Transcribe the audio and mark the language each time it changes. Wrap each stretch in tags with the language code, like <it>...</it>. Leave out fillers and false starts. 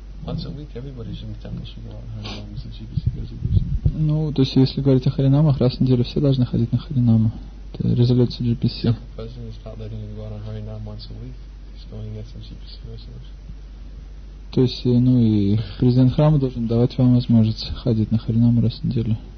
<en>Once a week, everybody in the temple should go out on Harinam as a GBC resolution.</en> <ru>Ну, то есть, если говорить о Харинамах, раз в неделю все должны ходить на Харинамы. Это резолюция GBC.</ru> <en>The president is not letting you go out on Harinam once a week. He's going against the GBC resolution.</en> <ru>То есть, ну и президент храма должен давать вам возможность ходить на Харинамы раз в неделю.</ru>